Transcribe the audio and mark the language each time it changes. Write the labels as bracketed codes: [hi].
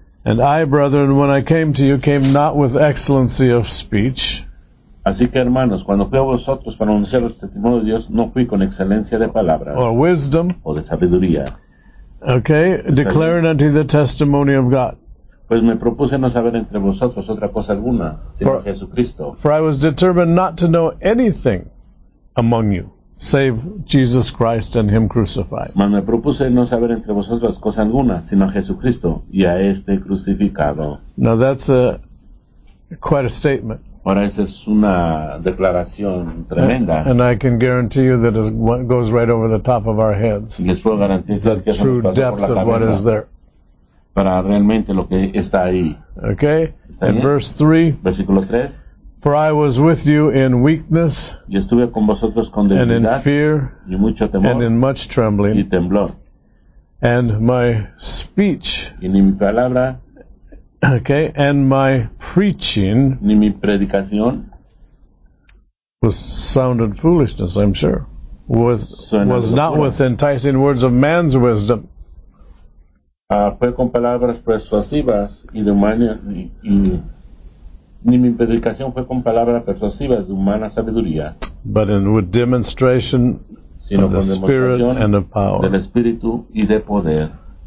[en] And I, brethren, when I came to you, came not with excellency of speech. [es] Así que, hermanos, cuando fui a vosotros para anunciar el testimonio de Dios, no fui con excelencia de palabras. [en] Or wisdom. [es] O de sabiduría. [en] Okay, declaring unto the testimony of God. [es] Pues me propuse no saber entre vosotros otra cosa alguna, sino for, Jesucristo. [en] For I was determined not to know anything among you, save Jesus Christ and Him crucified. [es] Mas me propuse no saber entre vosotros cosa alguna, sino a Jesucristo y a este crucificado. [en] Now that's quite a statement. [es] Ahora esa es una declaración tremenda. [en] And I can guarantee you that it goes right over the top of our heads. [es] Les puedo garantizar que [en] true depth of what is there. [es] Para realmente lo que está ahí. [en] Okay. [es] ¿Está ahí? [en] And verse 3. [es] Versículo 3. [en] For I was with you in weakness. [es] Y estuve con vosotros con debilidad. [en] And in fear. [es] Y mucho temor. [en] And in much trembling. [es] Y temblor. [en] And my speech. [es] Y ni mi palabra. [en] Okay. And my preaching. [es] Ni mi predicación. [en] Was sounded foolishness, I'm sure. Was not with enticing words of man's wisdom. [es] Fue con palabras persuasivas y de humana ni mi predicación fue con palabras persuasivas de humana sabiduría, [en] but in with demonstration [es] sino [en] of the Spirit and of power, [es] del Espíritu y de poder.